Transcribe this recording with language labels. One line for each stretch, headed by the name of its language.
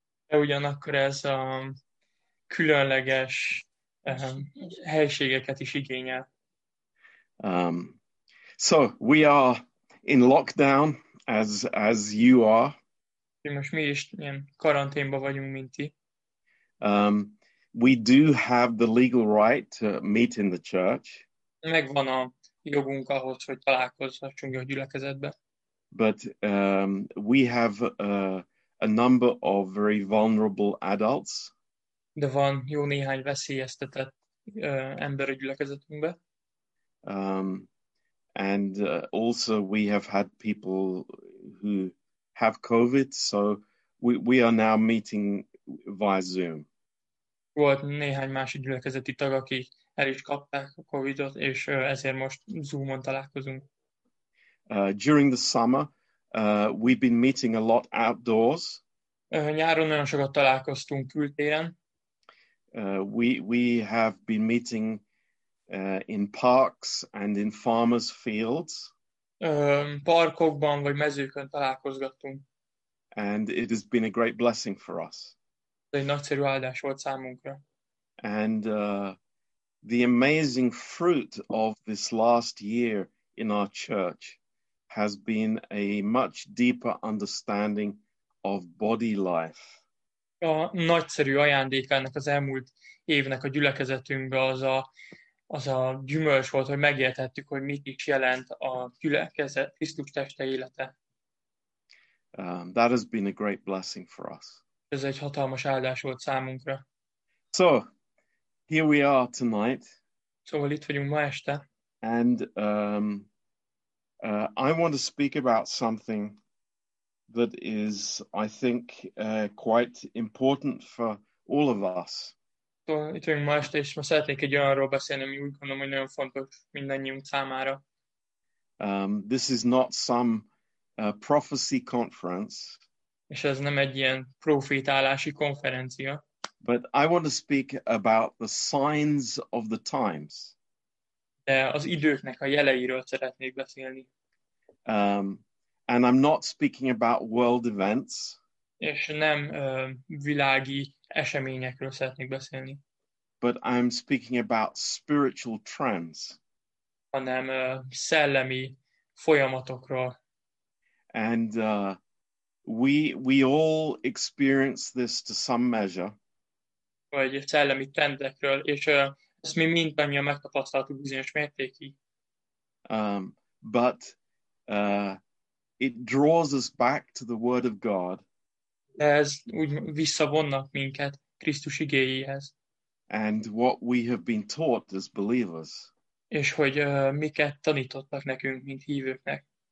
Hungarian: De ugyanakkor ez különleges helységeket is igényel.
English: So we are in lockdown as you are.
Hungarian: Most mi is ilyen karanténban vagyunk, mint ti.
English: We do have the legal right to meet in the church.
Hungarian: Megvan a jogunk ahhoz, hogy találkozhassunk a gyülekezetbe.
English: But we have a number of very vulnerable adults.
Hungarian: De van jó néhány veszélyeztetett ember a gyülekezetünkbe.
English: And also we have had people who have COVID, so we are now meeting via Zoom.
Hungarian: Volt néhány más gyülekezeti tag, aki el is kapták a COVID-ot, és ezért most Zoom-on találkozunk.
English: During the summer, we've been meeting a lot outdoors.
Hungarian: Nyáron nagyon sokat találkoztunk kültéren.
English: We have been meeting in parks and in farmers' fields.
Hungarian: Parkokban vagy mezőkön találkozgattunk.
English: And it has been a great blessing for us.
Hungarian: Egy nagyszerű áldás volt számunkra.
English: And the amazing fruit of this last year in our church has been a much deeper understanding of body life.
Hungarian: A nagyszerű ajándék ennek az elmúlt évnek a gyülekezetünkben az a gyümölcs volt, hogy megértettük, hogy mit is jelent a gyülekezet Krisztus teste élete.
English: That has been a great blessing for us.
Hungarian: Ez egy hatalmas áldás volt számunkra.
English: So, here we are tonight.
Hungarian: Szóval itt vagyunk ma este.
English: And I want to speak about something that is, I think, quite important for all of us.
Hungarian: Itt vagyunk ma este, és ma szeretnék egy olyanról beszélni, ami úgy gondolom, hogy nagyon fontos mindannyiunk számára.
English: This is not some prophecy conference.
Hungarian: És ez nem egy ilyen profétálási konferencia.
English: But I want to speak about the signs of the times.
Hungarian: De az időknek a jeleiről szeretnék beszélni.
English: And I'm not speaking about world events.
Hungarian: És nem világi eseményekről szeretnék beszélni.
English: But I'm speaking about spiritual trends.
Hungarian: Hanem szellemi folyamatokról.
English: And we all experience this to some measure.
Hungarian: Vagy szellemi trendekről, és ezt mi mindannyian megtapasztaltuk bizonyos mértékig.
English: But it draws us back to the Word of God.
Hungarian: De ez úgy visszavonnak minket Krisztus igéjéhez.
English: And what we have been taught as believers.
Hungarian: És hogy miket tanítottak nekünk, mint hívőknek.